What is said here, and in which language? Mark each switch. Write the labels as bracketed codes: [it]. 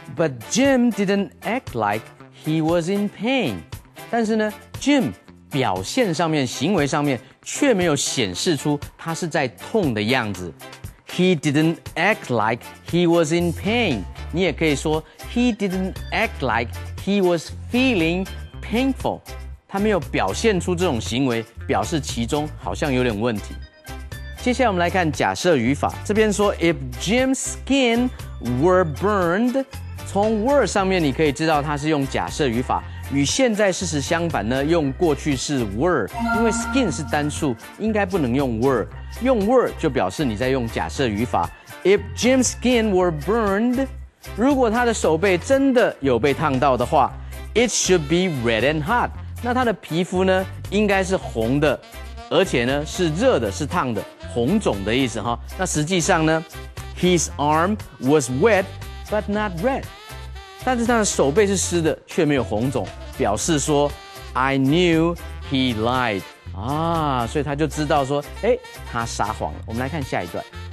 [en] But Jim didn't act like he was in pain. [zh] 但是呢 ,Jim 表现上面、行为上面却没有显示出他是在痛的样子。 [en] He didn't act like he was in pain. [zh] 你也可以说 [en] He didn't act like he was feeling painful. [zh] 他没有表现出这种行为，表示其中好像有点问题。接下来我们来看假设语法。这边说 [en] If Jim's skin were burned, [zh] 从 were 上面你可以知道他是用假设语法。与现在事实相反呢，用过去式 were， 因为 skin 是单数，应该不能用 were。用 were 就表示你在用假设语法。 [en] If Jim's skin were burned， [zh] 如果他的手背真的有被烫到的话 ， [en] it should be red and hot。 [zh] 那他的皮肤呢，应该是红的，而且呢是热的，是烫的，红肿的意思哈。那实际上呢 [en] ，his arm was wet but not red。 [zh] 但是他的手背是湿的，却没有红肿，表示说 [en] I knew he lied [zh] 啊，所以他就知道说，哎，他撒谎了。我们来看下一段。